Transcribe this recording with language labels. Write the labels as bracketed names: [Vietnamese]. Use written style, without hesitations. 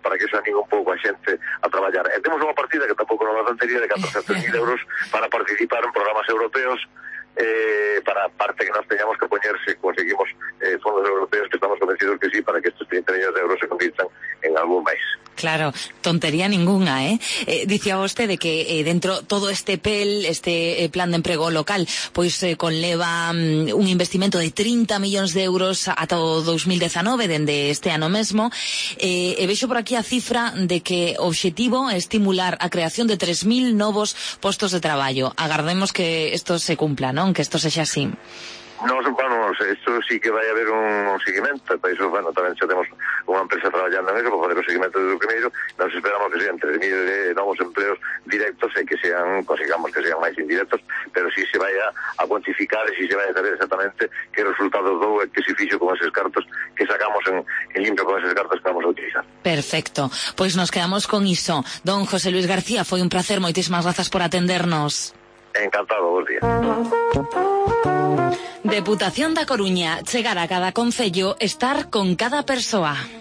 [Galician] Para que se anime un pouco a xente a traballar. E temos unha partida que tampouco non é tontería de 400.000 euros para participar en programas europeos para parte que nos teñamos que poñer se conseguimos fondos europeos, que estamos convencidos que sí, para que estos 30 millóns de euros se convirtan en algún máis. [Spanish] Claro, tontería ninguna, ¿eh? [Galician] Dicía vostede de que dentro todo este PEL, este plan de emprego local, pois conleva un investimento de 30 millóns de euros ata o 2019, dende este ano mesmo. E vexo por aquí a cifra de que o obxectivo é estimular a creación de 3.000 novos postos de traballo. Agardemos que isto se cumpla, non? Que isto sexa así. [Spanish] No, bueno, esto sí que va a haber un seguimiento. Para eso, bueno, también tenemos una empresa trabajando en eso, para hacer un seguimiento de lo primero. Nos esperamos que sean 3.000 nuevos empleos directos y que sean, consigamos que sean más indirectos, pero sí se vaya a cuantificar y sí se vaya a saber exactamente qué resultados do y qué [Galician] se fixo [Spanish] con esos cartos que sacamos en limpio con esos cartos que vamos a utilizar. Perfecto. Pues nos quedamos con ISO. Don José Luis García, fue un placer. [Galician] Moitísimas gracias por atendernos. [Spanish] Encantado, buenos días. [Galician] Deputación da Coruña, chegar a cada concello, estar con cada persoa.